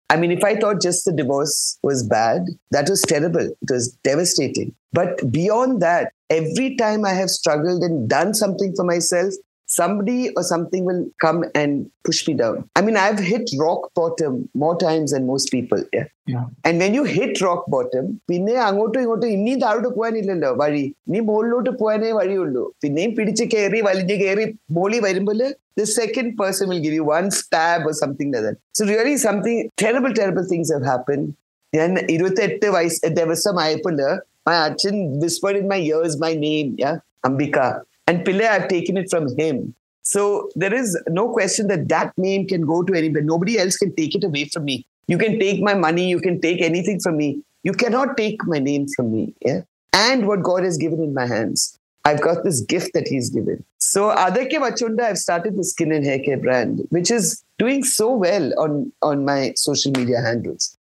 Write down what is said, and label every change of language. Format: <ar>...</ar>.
<en>I mean, if I thought just the divorce was bad, that was terrible. It was devastating. But beyond that, every time I have struggled and done something for myself, somebody or something will come and push me down. I mean, I've hit rock bottom more times than most people. Yeah. And when you hit rock bottom,</en> <ml>പിന്നെ അങ്ങോട്ടും ഇങ്ങോട്ടും ഇനി താഴോട്ട് പോകാനില്ലല്ലോ വഴി ഇനി മുകളിലോട്ട് പോകാനേ വഴിയുള്ളൂ പിന്നെയും പിടിച്ച് കയറി വലിഞ്ഞ് കയറി മോളി വരുമ്പോൾ</ml> <en>the second person will give you one stab or something like that. So really something terrible, terrible things have happened.</en> <ml>ഞാൻ 28 വയസ്സ് ദിവസം ആയപ്പോൾ</ml> <en>my അച്ഛൻ whispered in my ears my name, yeah, Ambika. And Pillai, I've taken it from him. So there is no question that that name can go to anybody. Nobody else can take it away from me. You can take my money. You can take anything from me. You cannot take my name from me. Yeah? And what God has given in my hands. I've got this gift that He's given. So</en> <ml>Adake Vachunda,</ml> <en>I've started the skin and hair care brand, which is doing so well on my social media handles.</en>